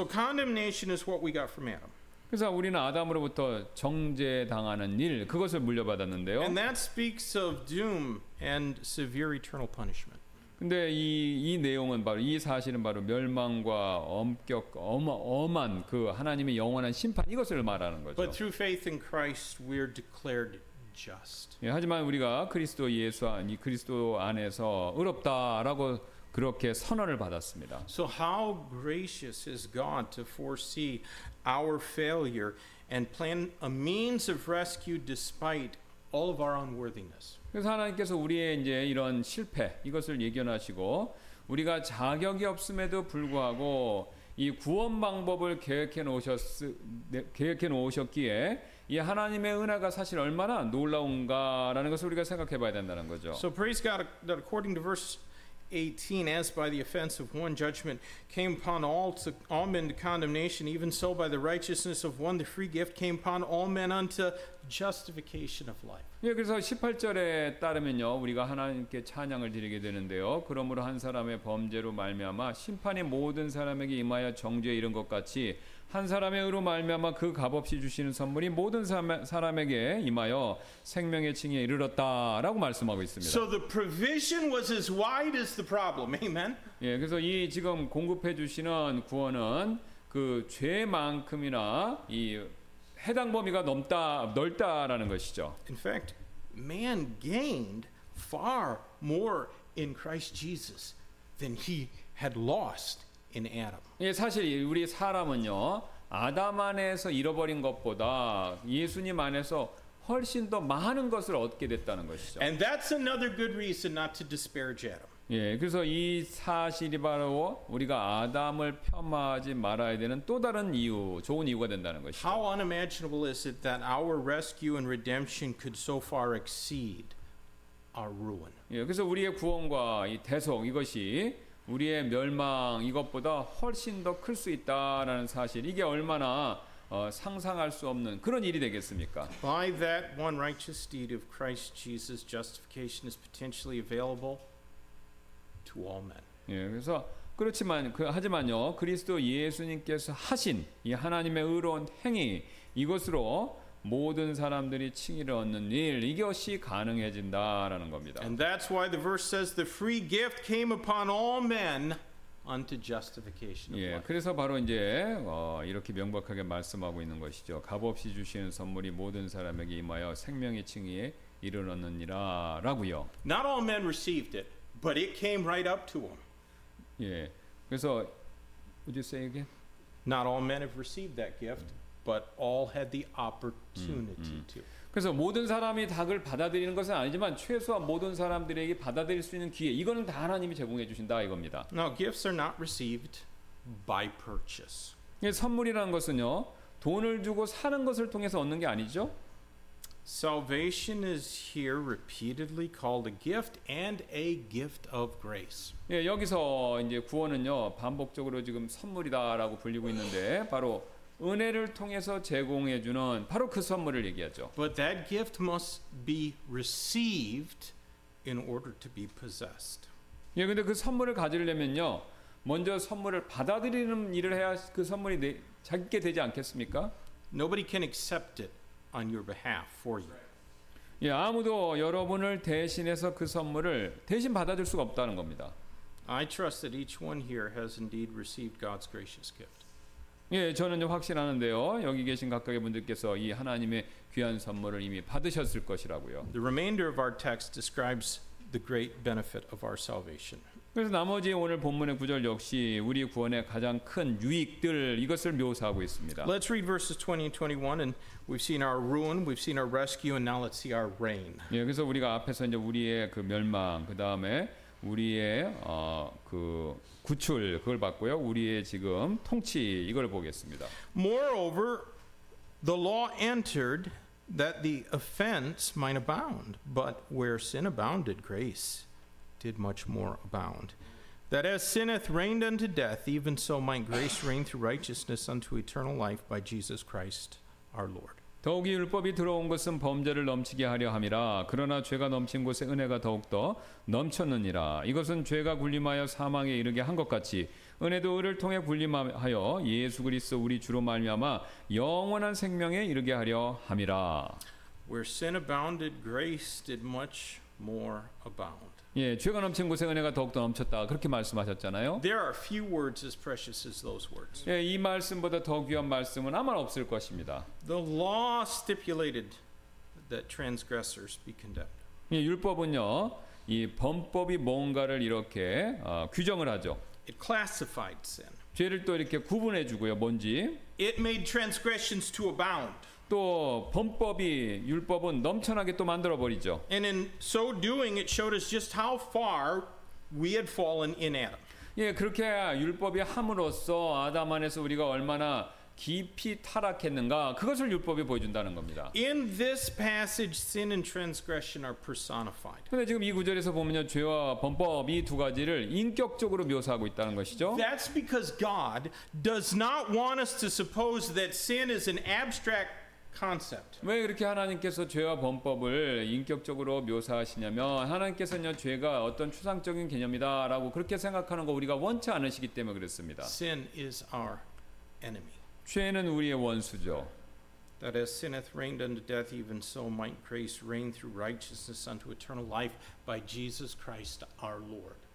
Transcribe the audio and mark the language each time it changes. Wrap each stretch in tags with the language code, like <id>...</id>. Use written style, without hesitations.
<en>So condemnation is what we got from Adam.</en> <ko>그래서 우리는 아담으로부터 정죄당하는 일 그것을 물려받았는데요.</ko> <en>And that speaks of doom and severe eternal punishment.</en> <ko>근데 이 내용은 바로 이 사실은 바로 멸망과 엄격 엄한 그 하나님의 영원한 심판 이것을 말하는 거죠.</ko> <en>But through faith in Christ we are declared just.</en> <ko>예, 하지만 우리가 그리스도 예수 안 이 그리스도 안에서 의롭다라고 그렇게 선언을 받았습니다.</ko> <en>So how gracious is God to foresee our failure and plan a means of rescue despite all of our unworthiness.</en> <ko>그래서 하나님께서 우리의 이제 이런 실패 이것을 예견하시고 우리가 자격이 없음에도 불구하고 이 구원 방법을 계획해 놓으셨기에 이 하나님의 은혜가 사실 얼마나 놀라운가라는 것을 우리가 생각해 봐야 된다는 거죠.</ko> <en>So praise God that according to verse 18, as by the offense of one judgment came upon all men to condemnation, even so by the righteousness of one the free gift came upon all men unto justification of life.</en> <ko>예, 그래서 18절에 따르면요, 우리가 하나님께 찬양을 드리게 되는데요. 그러므로 한 사람의 범죄로 말미암아 심판이 모든 사람에게 임하여 정죄에 이른 것 같이 한 사람의 의로 말미암아 그 값없이 주시는 선물이 모든 사람에게 임하여 생명의 칭의에 이르렀다라고 말씀하고 있습니다.</ko> <en>So the provision was as wide as the problem. Amen.</en> <ko>예, 그래서 이 지금 공급해 주시는 구원은 그 죄만큼이나 이 해당 범위가 넓다라는 것이죠.</ko> <en>In fact, man gained far more in Christ Jesus than he had lost. In Adam.</en> <ko>예, 사실 우리 사람은요 아담 안에서 잃어버린 것보다 예수님 안에서 훨씬 더 많은 것을 얻게 됐다는 것이죠.</ko> <en>And that's another good reason not to disparage Adam.</en> <ko>예, 그래서 이 사실이 바로 우리가 아담을 폄하하지 말아야 되는 또 다른 이유, 좋은 이유가 된다는 것이죠.</ko> <en>How unimaginable is it that our rescue and redemption could so far exceed our ruin?</en> <ko>예, 그래서 우리의 구원과 이 대속 이것이 우리의 멸망 이것보다 훨씬 더 클 수 있다라는 사실 이게 얼마나 상상할 수 없는 그런 일이 되겠습니까?</ko> <en>By that one righteous deed of Christ Jesus, justification is potentially available to all men.</en> <ko>예, 그래서 그렇지만 하지만요 그리스도 예수님께서 하신 이 하나님의 의로운 행위 이것으로 모든 사람들이 칭의를 얻는 일 이것이 가능해진다라는 겁니다.</ko> <en>And that's why the verse says the free gift came upon all men unto justification.</en> <ko>예, 그래서 바로 이제 이렇게 명백하게 말씀하고 있는 것이죠. 값없이 주시는 선물이 모든 사람에게 임하여 생명의 칭의에 이르렀느니라라고요.</ko> <en>Not all men received it, but it came right up to them.</en> <ko>예, 그래서</ko> <en>would you say again? Not all men have received that gift. But all had the opportunity to.</en> <ko>그래서 모든 사람이 닭을 받아들이는 것은 아니지만 최소한 모든 사람들에게 받아들일 수 있는 기회 이거는 다 하나님이 제공해 주신다 이겁니다.</ko> <en>Now gifts are not received by purchase.</en> <ko>예, 선물이라는 것은요 돈을 주고 사는 것을 통해서 얻는 게 아니죠.</ko> <en>Salvation is here repeatedly called a gift and a gift of grace.</en> <ko>예, 여기서 이제 구원은요 반복적으로 지금 선물이다라고 불리고 있는데 바로 은혜를 통해서 제공해 주는 바로 그 선물을 얘기하죠.</ko> <en>But that gift must be received in order to be possessed.</en> <ko>예, 근데 그 선물을 가지려면요 먼저 선물을 받아들이는 일을 해야 그 선물이 자기께 되지 않겠습니까?</ko> <en>Nobody can accept it on your behalf for you.</en> <ko>예, 아무도 여러분을 대신해서 그 선물을 대신 받아줄 수가 없다는 겁니다.</ko> <en>I trust that each one here has indeed received God's gracious gift.</en> <ko>예, 저는 확신하는데요. 여기 계신 각각의 분들께서 이 하나님의 귀한 선물을 이미 받으셨을 것이라고요.</ko> <en>The remainder of our text describes the great benefit of our salvation.</en> <ko>그래서 나머지 오늘 본문의 구절 역시 우리 구원의 가장 큰 유익들 이것을 묘사하고 있습니다.</ko> <en>Let's read verses 20 and 21 and we've seen our ruin, we've seen our rescue and now let's see our reign.</en> <ko>예, 그래서 우리가 앞에서 이제 우리의 그 멸망, 그다음에 우리의 그 구출 그걸 봤고요. 우리의 지금 통치 이걸 보겠습니다.</ko> <en>Moreover, the law entered that the offense might abound, but where sin abounded, grace did much more abound. That as sin hath reigned unto death, even so might grace reign through righteousness unto eternal life by Jesus Christ our Lord.</en> <ko>더욱이 율법이 들어온 것은 범죄를 넘치게 하려 함이라. 그러나 죄가 넘친 곳에 은혜가 더욱더 넘쳤느니라. 이것은 죄가 군림하여 사망에 이르게 한 것 같이 은혜도 의를 통해 군림하여 예수 그리스도 우리 주로 말미암아 영원한 생명에 이르게 하려 함이라.</ko> <en>Where sin abounded, grace did much more abound.</en> <ko>예, 죄가 넘친 곳에 은혜가 더욱더 넘쳤다 그렇게 말씀하셨잖아요.</ko> <en>There are few words as precious as those words.</en> <ko>예, 이 말씀보다 더 귀한 말씀은 아마 없을 것입니다.</ko> <en>The law stipulated that transgressors be condemned.</en> <ko>예, 율법은요, 이 범법이 뭔가를 이렇게 규정을 하죠.</ko> <en>It classified sin.</en> <ko>죄를 또 이렇게 구분해 주고요, 뭔지.</ko> <en>It made transgressions to abound.</en> <ko>또 범법이 율법은 넘쳐나게 또 만들어 버리죠.</ko> <en>And in so doing, it showed us just how far we had fallen in Adam.</en> <ko>예, 그렇게 율법이 함으로써 아담 안에서 우리가 얼마나 깊이 타락했는가 그것을 율법이 보여준다는 겁니다.</ko> <en>In this passage, sin and transgression are personified.</en> <ko>근데 지금 이 구절에서 보면요, 죄와 범법이 두 가지를 인격적으로 묘사하고 있다는 것이죠.</ko> <en>That's because God does not want us to suppose that sin is an abstract concept.</en> <ko>왜 이렇게 하나님께서 죄와 범법을 인격적으로 묘사하시냐면 하나님께서는요 죄가 어떤 추상적인 개념이다라고 그렇게 생각하는 거 우리가 원치 않으시기 때문에 그렇습니다.</ko> <en>Sin is our enemy.</en> <ko>죄는 우리의 원수죠.</ko> <en>That as sin hath reigned unto death, even so might grace reign through righteousness unto eternal life by Jesus Christ our Lord.</en>